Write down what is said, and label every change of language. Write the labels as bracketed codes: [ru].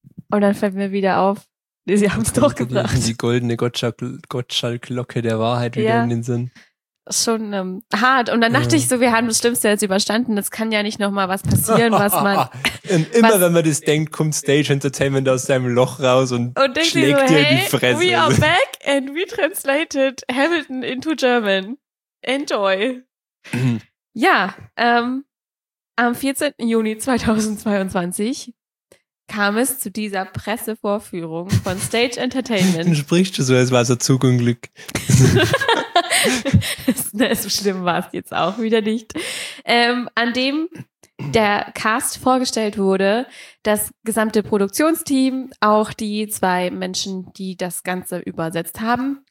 [de] Und dann fällt mir wieder auf, nee, sie haben es doch gebracht. Die goldene Gottschalk-Glocke der Wahrheit wieder in den Sinn. Schon hart. Und dann dachte ich so, wir haben das Schlimmste jetzt überstanden. Das kann ja nicht nochmal was passieren, was man... Und immer wenn man das denkt, kommt Stage Entertainment aus seinem Loch raus und schlägt dir hey, die Fresse. [en] We are back and we translated Hamilton into German. [de] Enjoy. Ja, am 14. Juni 2022 kam es zu dieser Pressevorführung von Stage Entertainment. Dann sprichst du so, als war es ein Zugunglück. Das schlimm war es jetzt auch wieder nicht. An dem der Cast vorgestellt wurde, das gesamte Produktionsteam, auch die 2 Menschen, die das Ganze übersetzt haben.